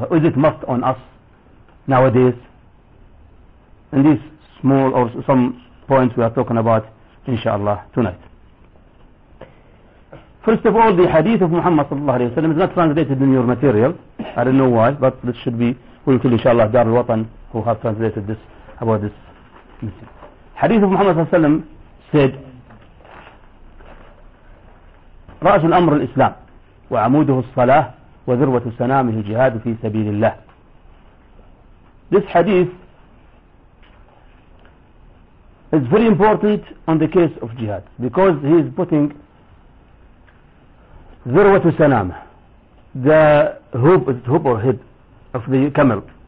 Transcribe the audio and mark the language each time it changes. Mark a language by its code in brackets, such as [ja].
[en] Is it must on us nowadays? In these small or some points we are talking about, inshallah, tonight. First of all, the hadith of Muhammad sallallahu alayhi wa sallam is not translated in your material. I don't know why, but this should be, we'll tell inshallah Dar al-Watan who have translated this about this message. Hadith of Muhammad sallallahu alayhi wa sallam said, [ar] رأس الأمر الإسلام وعموده الصلاة وذروة سنامه الجهاد في سبيل الله. [en] This hadith is very important on the case of jihad because he is putting [ar] ذروة سنامة, [en] the hoop, is it hoop or head of the camel?